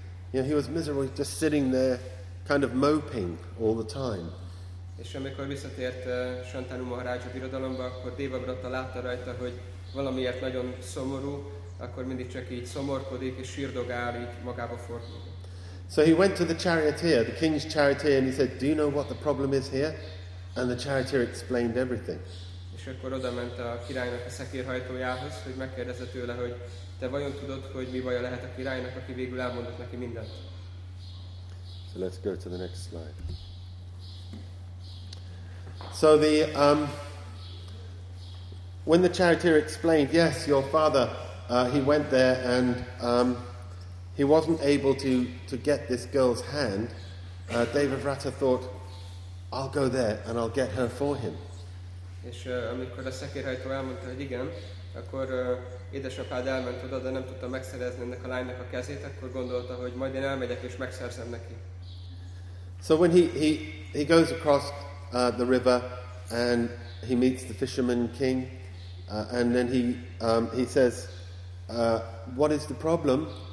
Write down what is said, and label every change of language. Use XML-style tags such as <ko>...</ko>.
<en>You know, he was miserable, just sitting there, kind of moping all the time.</en> <hu>És amikor visszatért Shantanu Maharaj a birodalomba, akkor Devavrata látta rajta, hogy valamiért nagyon szomorú, akkor mindig csak így szomorkodik és sírdogál, így magába fordul.</hu> <en>So he went to the charioteer, the king's charioteer, and he said, "Do you know what the problem is here?" And the charioteer explained everything.</en> <hu>És akkor odament a királynak a szekérhajtójához, hogy megkérdezze tőle, hogy te vajon tudod, hogy mi baja lehet a királynak, aki végül elmondott neki mindent.</hu> <en>So let's go to the next slide. So the when the charioteer explained, yes, your father, he went there and he wasn't able to get this girl's hand, Devavrata thought, I'll go there and I'll get her for him.</en> <hu>És amikor a szekérhajtó elmondta, hogy igen, akkor édesapád elment oda, de nem tudta megszerezni ennek a lánynak a kezét, akkor gondolta, hogy majd én elmegyek és megszerzem neki.</hu> <en>So when he goes across the river and he meets the fisherman king, and then he says, what is the problem?</en>